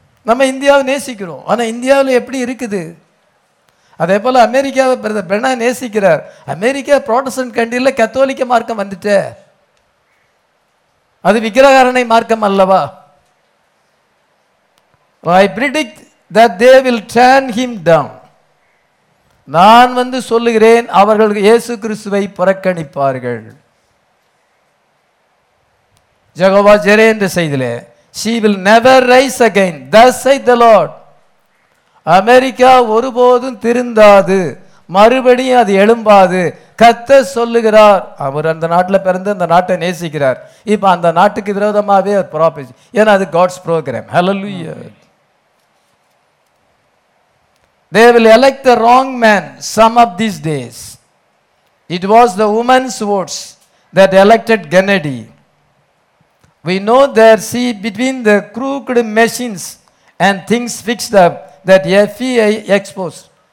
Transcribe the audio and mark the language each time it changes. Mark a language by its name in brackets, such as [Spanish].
[Tamil] நம்ம இந்தியாவை நேசிக்கிறோம், ஆனால் இந்தியாவில் எப்படி இருக்குது? அதே போல் அமெரிக்காவை பிரதர் பிரனா நேசிக்கிறார். அமெரிக்கா ப்ரோட்டஸ்டன்ட் கண்ட்ரியில் கத்தோலிக்க மார்க்கம் வந்துட்டே, அது விக்கிரகாரனை மார்க்கம் அல்லவா? [English] I predict that they will turn him down. [Tamil] நான் வந்து சொல்லுகிறேன் அவர்கள் இயேசு கிறிஸ்துவை புறக்கணிப்பார்கள். ஜெகோவா ஜெரே என்று செய்திலே, [English] She will never rise again. Thus saith the Lord. [Tamil] America ஒருபோதும் திருந்தாது, மறுபடியும் அது எழும்பாது. கர்த்தர் சொல்லுகிறார். அவர் அந்த நாட்டில் பிறந்து அந்த நாட்டை நேசிக்கிறார். இப்போ அந்த நாட்டுக்கு விரோதமாகவே அவர் ப்ரோபேஷன், ஏன்னா அது God's program. Hallelujah. [English] They will elect the wrong man some of these days. It was the woman's votes that elected Kennedy. We know there see between the crooked machines and things fixed up that FEI exposed.